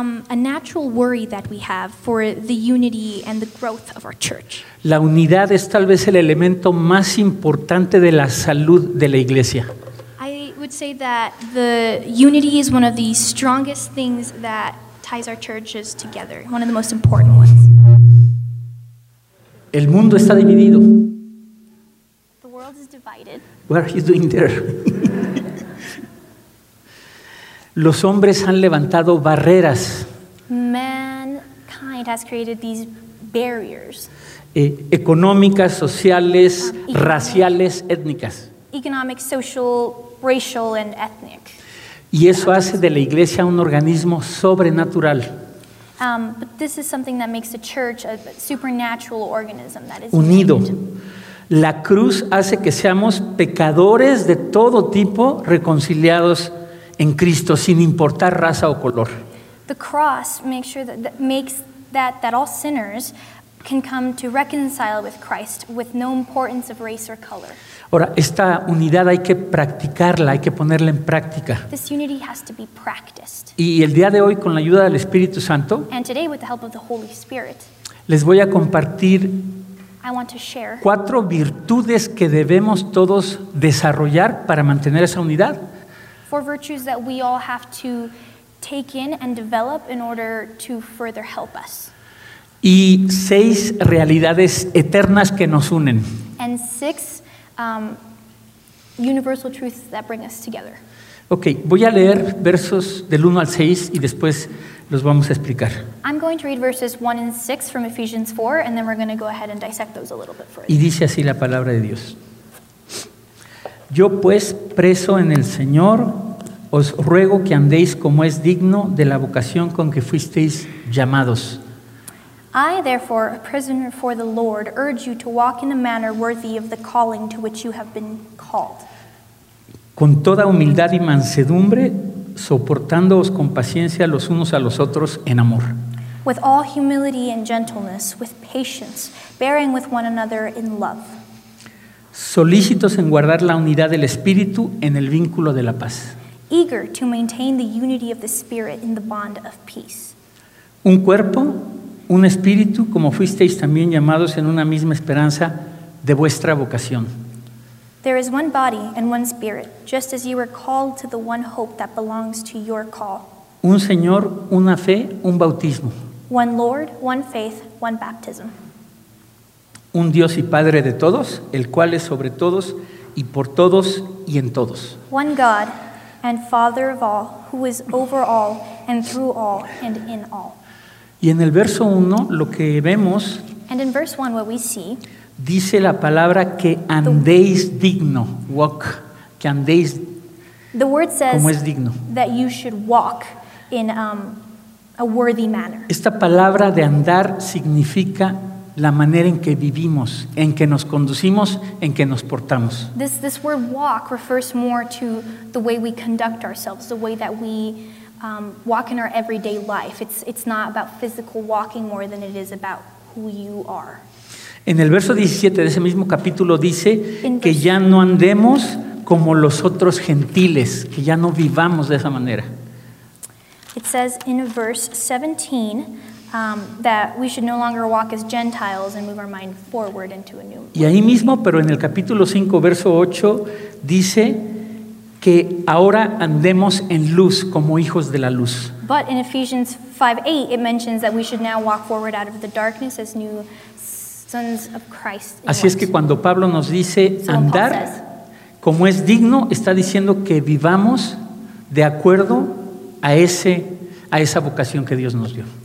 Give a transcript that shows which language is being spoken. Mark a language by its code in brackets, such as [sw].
[en] A natural worry that we have for the unity and the growth of our church. [es] La unidad es tal vez el elemento más importante de la salud de la iglesia. [en] I would say that the unity is one of the strongest things that ties our churches together, one of the most important ones. [es] El mundo está dividido. [en] The world is divided. What are you doing there? [es] Los hombres han levantado barreras. [en] Mankind has created these barriers. [es] Económicas, sociales, raciales, étnicas. [en] Economic, social, racial, and ethnic. [es] Y eso hace de la iglesia un organismo sobrenatural. [en] But this is something that makes the church a supernatural organism that is [es] unido. La cruz hace que seamos pecadores de todo tipo reconciliados en Cristo, sin importar raza o color. [en] The cross makes sure that all sinners can come to reconcile with Christ with no importance of race or color. [es] Ahora, esta unidad hay que practicarla, hay que ponerla en práctica. [en] This unity has to be practiced. [es] Y el día de hoy, con la ayuda del Espíritu Santo, [en] and today with the help of the Holy Spirit, [es] les voy a compartir, [en] I want to share, [es] 4 virtudes que debemos todos desarrollar para mantener esa unidad. [en] 4 virtues that we all have to take in and develop in order to further help us. [es] Y 6 realidades eternas que nos unen. [en] And 6 universal truths that bring us together. [es] Okay, voy a leer versos del 1 al 6 y después los vamos a explicar. [en] I'm going to read verses 1 and 6 from Ephesians 4 and then we're going to go ahead and dissect those a little bit further. [es] Y dice así la palabra de Dios. Yo pues, preso en el Señor, os ruego que andéis como es digno de la vocación con que fuisteis llamados. [en] I, therefore, a prisoner for the Lord, urge you to walk in a manner worthy of the calling to which you have been called. [es] Con toda humildad y mansedumbre, soportándoos con paciencia los unos a los otros en amor. [en] With all humility and gentleness, with patience, bearing with one another in love. [es] Solícitos en guardar la unidad del Espíritu en el vínculo de la paz. [en] Eager to maintain the unity of the Spirit in the bond of peace. [es] Un cuerpo un espíritu, como fuisteis también llamados en una misma esperanza de vuestra vocación. [en] There is one body and one spirit, just as you were called to the one hope that belongs to your call. [es] Un Señor, una fe, un bautismo. [en] One Lord, one faith, one baptism. [es] Un Dios y Padre de todos, el cual es sobre todos y por todos y en todos. [en] One God and Father of all, who is over all and through all and in all. [es] Y en el verso 1 lo que vemos, [en] and in verse 1 what we see, [es] dice la palabra que andéis digno, walk, que andéis, [en] the word says, [es] como es digno, [en] that you should walk in a worthy manner. [es] Esta palabra de andar significa la manera en que vivimos, en que nos conducimos, en que nos portamos. [en] This word walk refers more to the way we conduct ourselves, the way that we walk in our everyday life. It's not about physical walking more than it is about who you are. [es] En el verso 17 de ese mismo capítulo dice que ya no andemos como los otros gentiles, que ya no vivamos de esa manera. [en] It says in verse 17 that we should no longer walk as Gentiles and move our mind forward into a new. [es] Y ahí mismo, pero en el capítulo 5 verso 8 dice que ahora andemos en luz como hijos de la luz. [en] But in Ephesians 5:8 it mentions that we should now walk forward out of the darkness as new sons of Christ. [es] Así es que cuando Pablo nos dice andar como es digno, está diciendo que vivamos de acuerdo a ese, a esa vocación que Dios nos dio.